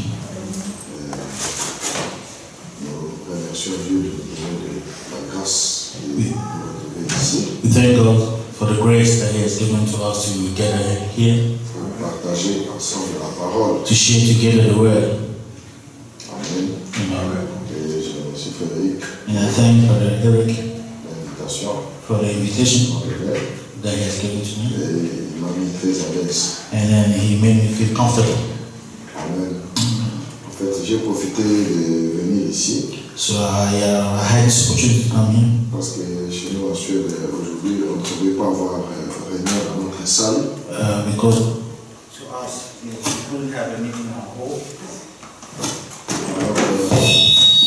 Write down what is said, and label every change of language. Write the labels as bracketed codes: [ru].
[fr] Nous remercions Dieu de nous donner de la grâce de nous retrouver ici. [en] We thank God for the grace that He has given to us to gather here. [fr] Pour partager ensemble la parole. [en] To share together the word. [fr] Amen. [en] Amen. [fr] Et je remercie Frédéric. [en] And I thank Father Eric. [fr] L'invitation. [en] For the invitation. That he has given to me. [fr] Et il m'a mis très à l'aise. [en] And then he made me feel comfortable. [fr] Amen. En fait, j'ai profité de venir ici. [en] So I had this opportunity to come here. [fr] Parce que chez nous, en Suède, aujourd'hui, on ne pouvait pas avoir Rainer dans notre salle. [en] Because to us, we couldn't have a meeting in our hall.